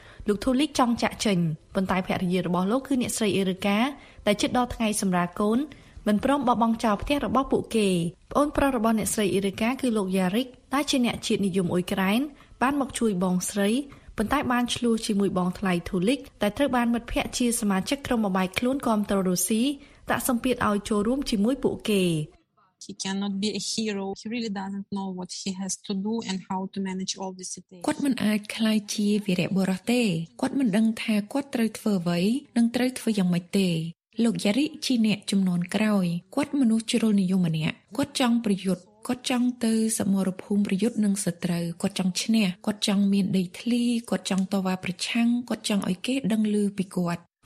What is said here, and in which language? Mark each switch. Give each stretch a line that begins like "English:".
Khmer: លោកធូលីកចង់ចាក់ចេញប៉ុន្តែភរិយារបស់លោកគឺអ្នកស្រីអេរីកាដែលជិតដល់ថ្ងៃសម្រាលកូនមិនព្រមបបង់ចោលផ្ទះរបស់ពួកគេប្អូនប្រុសរបស់អ្នកស្រីអេរីកាគឺលោកយ៉ារិកដែលជាអ្នកជាតិនិយមអ៊ុយក្រែនបានមកជួយបងស្រីប៉ុន្តែបានឆ្លោះជាមួយបងថ្លៃធូលីកតែត្រូវបានមិត្តភ័ក្តិជាសមាជិកក្រុមបបាយខ្លួនគាំទ្ររុស្ស៊ីដាក់សម្ពាធឲ្យចូលរួមជាមួយពួកគេ
English: He cannot be a hero. He really doesn't know what he has to do and how to manage all this today.
Khmer: គាត់មិនអាចខ្លាយជាវីរៈបុរសទេ។គាត់មិនដឹងថាគាត់ត្រូវធ្វើអ្វីនិងត្រូវធ្វើយ៉ាងម៉េចទេ។លោកយ៉ារិជាអ្នកជំនន់ក្រោយ។គាត់មនុស្សជ្រុលនិយមម្នាក់។គាត់ចង់ប្រយុទ្ធ។គាត់ចង់ទៅសមរភូមិប្រយុទ្ធនឹងសត្រូវ។គាត់ចង់ឈ្នះ។គាត់ចង់មានដីធ្លី។គាត់ចង់តវ៉ាប្រឆាំង។គាត់ចង់ឲ្យគេដឹងឮពីគាត់។